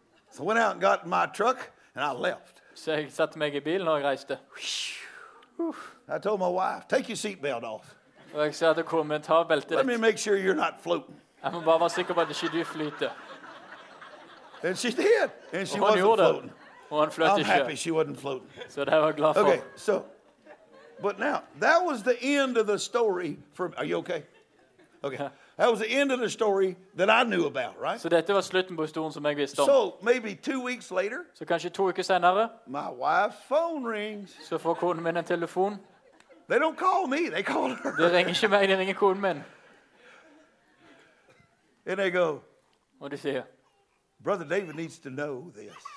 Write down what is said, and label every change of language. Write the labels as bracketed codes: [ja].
[en] So I went out and got in my truck and I left. [no] Så jeg satte meg I bilen og reiste. [en] I told my wife, take your seatbelt off. [no] Og jeg sa til konen min, ta beltet. [en] Let me make sure you're not floating. [no] Jeg må bare være sikker på at ikke du flyter. [en] And she did. And she wasn't floating. [no] Og hun flyttet ikke. [en] I'm happy she wasn't floating. [no] Så det var jeg glad for. [en] Okay, so. But now, that was the end of the story for me. Are you okay? Okay. That was the end of the story that I knew about, right? [no] Så dette var slutten på historien som jeg visste om. [en] So maybe 2 weeks later. [no] Så kanskje 2 uker senere. [en] My wife's phone rings. [no] Så får konen min en telefon. [en] They don't call me. They call her. [no] De ringer ikke meg. De ringer konen min. [en] And they go. [no] Og de sier. [en] Brother David needs to know this.